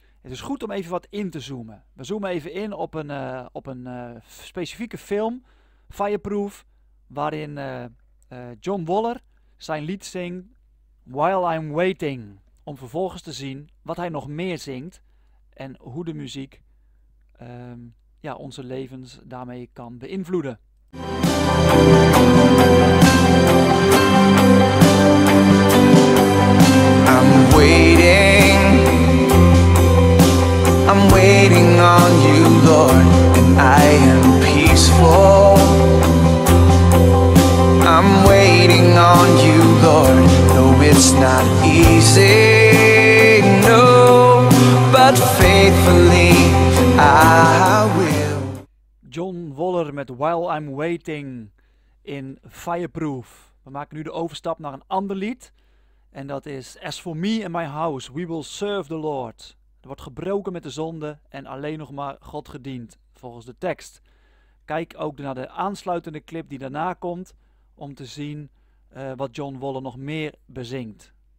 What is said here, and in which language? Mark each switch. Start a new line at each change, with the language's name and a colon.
Dutch: Het is goed om even wat in te zoomen. We zoomen even in op een specifieke film, Fireproof, waarin John Waller zijn lied zingt While I'm Waiting, om vervolgens te zien wat hij nog meer zingt en hoe de muziek onze levens daarmee kan beïnvloeden.
English: I'm waiting, I'm waiting on you, Lord, and I am peaceful. I'm waiting on you, Lord, though it's not easy, no, but faithfully I will.
Dutch: John Waller met While I'm Waiting in Fireproof. We maken nu de overstap naar een ander lied. En dat is As For Me And My House, We Will Serve The Lord. Er wordt gebroken met de zonde en alleen nog maar God gediend, volgens de tekst. Kijk ook naar de aansluitende clip die daarna komt, om te zien wat John Waller nog meer bezingt.